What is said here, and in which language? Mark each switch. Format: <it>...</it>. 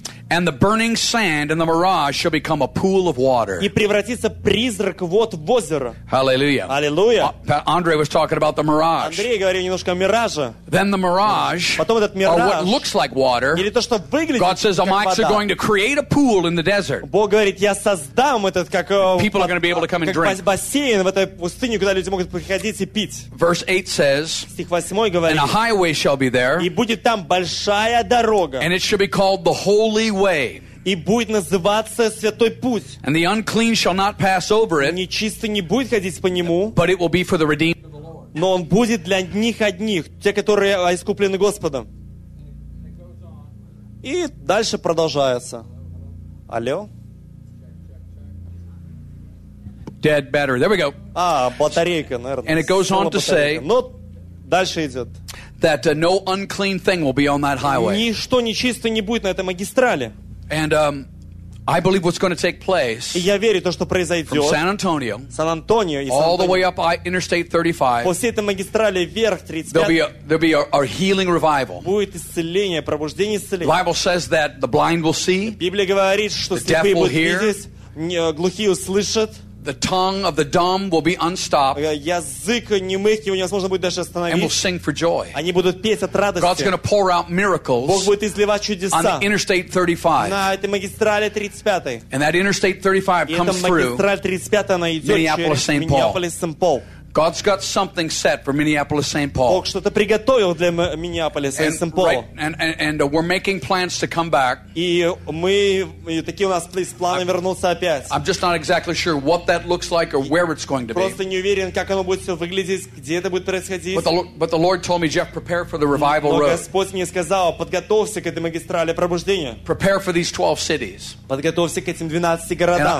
<en>And the burning sand and the mirage shall become a pool of water.</en> <ru>И превратится призрак вот в озеро.</ru> <en>Hallelujah. Hallelujah. Andre was talking about the mirage.</en> <ru>Андрей говорил немножко о мираже.</ru> <en>Then the mirage.</en> <ru>Потом этот мираж.</ru> <en>Or what looks like water.</en> <ru>Или то, что выглядит как вода.</ru> <en>God says, "I'm actually going to create a pool in the desert."</en> <ru>Бог говорит, я создам этот как.</ru> <en>People are going to be able to come and drink.</en> <ru>Как бассейн в этой пустыне, куда люди могут приходить и пить.</ru> <en>Verse 8 says.</en> <ru>Стих 8 говорит.</ru> <en>And a highway shall be there.</en> <ru>И будет там большая дорога.</ru> <en>And it shall be called the Holy Way.</en> <ru>И будет называться Святой Путь.</ru> <en>And the unclean shall not pass over it.</en> <ru>Нечистый не будет ходить по нему.</ru> <en>But it will be for the redeemed of the Lord.</en> <ru>Но он будет для них одних, те, которые искуплены Господом. И дальше продолжается. Алло?</ru> <en>Dead battery. There we go.</en> <ru>А, батарейка, наверное.</ru> <en>And it goes on to say.</en> <ru>Но дальше идет.</ru> <en>That no unclean thing will be on that highway.</en> <ru>Ничто нечистое не будет на этой магистрали.</ru> <en>And I believe what's going to take place.</en> <ru>И я верю то, что произойдет.</ru> <en>From San Antonio.</en> <ru>Сан-Антонио.</ru> <en>All the way up Interstate 35.</en> <ru>По всей этой магистрали вверх 35.</ru> <en>There'll be a healing revival.</en> <ru>Будет исцеление, пробуждение, исцеление.</ru> <en>Bible says that the blind will see.</en> <ru>Библия говорит, что слепые будут видеть, глухие услышат.</ru> <en>The tongue of the dumb will be unstopped.</en> <ru>Язык немых его невозможно будет даже остановить.</ru> <en>And will sing for joy.</en> <ru>Они будут петь от радости.</ru> <en>God's going to pour out miracles.</en> <ru>Бог будет изливать чудеса.</ru> <en>On the Interstate 35.</en> <ru>На этой магистрали 35.</ru> <en>And that Interstate 35 comes through.</en> <ru>Магистраль 35 она идет через Миннеаполис-Сент-Пол.</ru> <en>God's got something set for Minneapolis-St. Paul.</en> <ru>Бог что-то приготовил для Миннеаполис-Сент-Пол.</ru> <en>Right, and we're making plans to come back.</en> <ru>И мы такие у нас планы вернуться опять.</ru> <en>I'm just not exactly sure what that looks like or where it's going to be.</en> <ru>Просто не уверен, как оно будет все выглядеть, где это будет происходить.</ru> <en>But the Lord told me, Jeff, prepare for the revival road.</en> <ru>Но Господь мне сказал, подготовься к этой магистрали пробуждения.</ru> <en>Prepare for these 12 cities.</en> <ru>Подготовься к этим 12 городам.</ru>